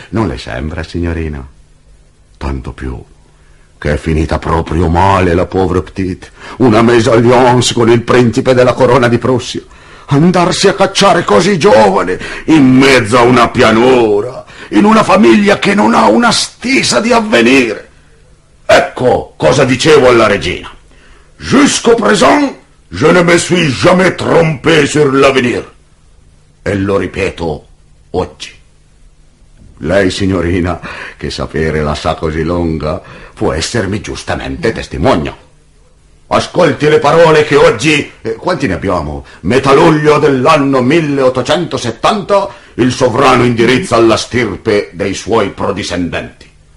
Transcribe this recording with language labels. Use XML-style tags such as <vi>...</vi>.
<it>Non le sembra, signorina? Tanto più che è finita proprio male la povera petite. Una mésalliance con il principe della corona di Prussia. Andarsi a cacciare così giovane in mezzo a una pianura, in una famiglia che non ha una stisa di avvenire. Ecco cosa dicevo alla regina.</it> <fr>Jusqu'au présent, je ne me suis jamais trompé sur l'avenir.</fr> <it>E lo ripeto oggi. Lei, signorina, che sapere la sa così lunga, può essermi giustamente testimonio. Ascolti le parole che oggi, quanti ne abbiamo? Metà luglio dell'anno 1870, il sovrano indirizza alla stirpe dei suoi prodiscendenti.</it>